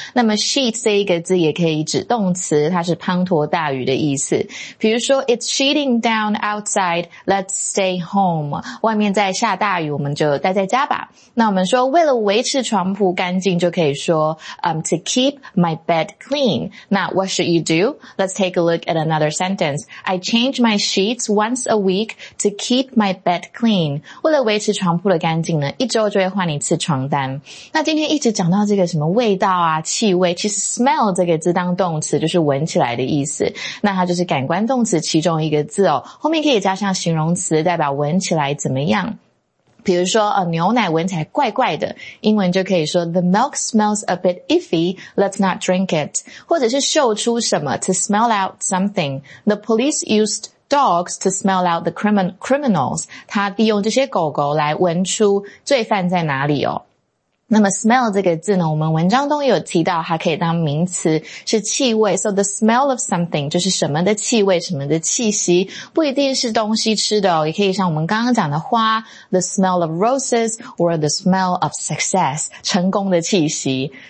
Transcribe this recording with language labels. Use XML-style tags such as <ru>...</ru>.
<zh>那么 sheet 这一个字也可以指动词，它是滂沱大雨的意思。比如说</zh> <en>it's sheeting down outside, let's stay home。</en> <zh>外面在下大雨，我们就待在家吧。那我们说为了维持床铺干净，就可以说</zh> <en>to keep my bed clean。那 what should you do? Let's take a look at another sentence. I change my sheets once a week to keep my bed clean.</en> <zh>为了维持床铺的干净呢，一周就会换一次床单。那今天一直讲到这个什么味道啊，气味，其实 smell 这个字当动词就是闻起来的意思。那它就是感官动词其中一个字哦，后面可以加上形容词代表闻起来怎么样。比如说牛奶闻起来怪怪的，英文就可以说</zh> <en>The milk smells a bit iffy, let's not drink it.</en> <zh>或者是嗅出什么</zh> <en>to smell out something. The police used dogs to smell out the criminals.</en> <zh>他利用这些狗狗来闻出罪犯在哪里哦。那么 smell 这个字呢，我们文章中有提到它可以当名词，是气味。</zh> <en>So the smell of something</en> <zh>就是什么的气味，什么的气息，不一定是东西吃的哦，也可以像我们刚刚讲的花 ，</zh> <en>the smell of roses or the smell of success</en> <zh>成功的气息。</zh>